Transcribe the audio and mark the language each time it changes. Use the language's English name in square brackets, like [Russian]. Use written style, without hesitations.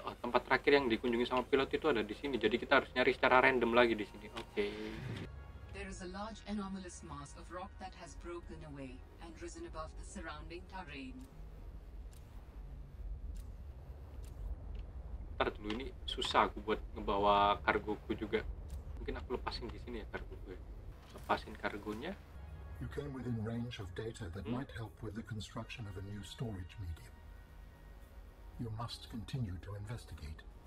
[Indonesian] Oh, tempat terakhir yang dikunjungi sama pilot itu ada di sini. Jadi kita harus nyari secara random lagi di sini. Oke. [English] There is a large anomalous mass of rock that has broken away and risen above the surrounding terrain. [Indonesian] Ntar dulu, ini susah aku buat ngebawa kargoku juga. Mungkin aku lepasin di sini ya kargoku. Lepasin kargonya. [English] You came within range of data that might help with the construction of a new storage medium. You must continue to investigate.